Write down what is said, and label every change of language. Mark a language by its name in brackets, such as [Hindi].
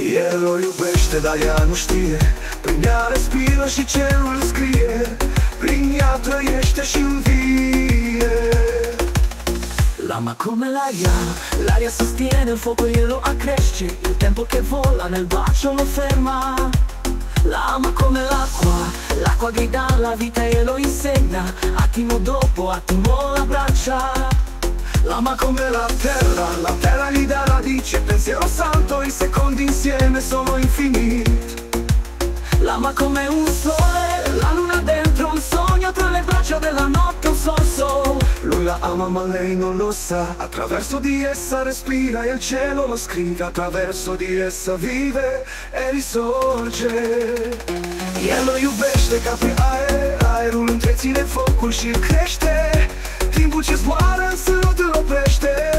[Romanian] El o iubește, dar ea nu știe, prin ea respiră și cerul scrie, prin ea trăiește și învie. [Italian] L'ama come l'aria, l'aria sostiene, il fuoco glielo accresce, il tempo che vola nel bacio lo ferma. L'ama come l'acqua, l'acqua grida la vita e lo insegna, attimo dopo attimo l'abbraccia. L'ama come la terra gli dà radice, pensiero santo, i secondi insieme sono infiniti. L'ama come un sole, la luna dentro un sogno, tra le braccia della notte un sorso. Lui la ama ma lei non lo sa, attraverso di essa respira e il cielo lo scrive, attraverso di essa vive e risorge. [Romanian] El lo iubește ca pe aer, aerul întreține focul și îl crește, timpul ce zboară însă nu te-l oprește.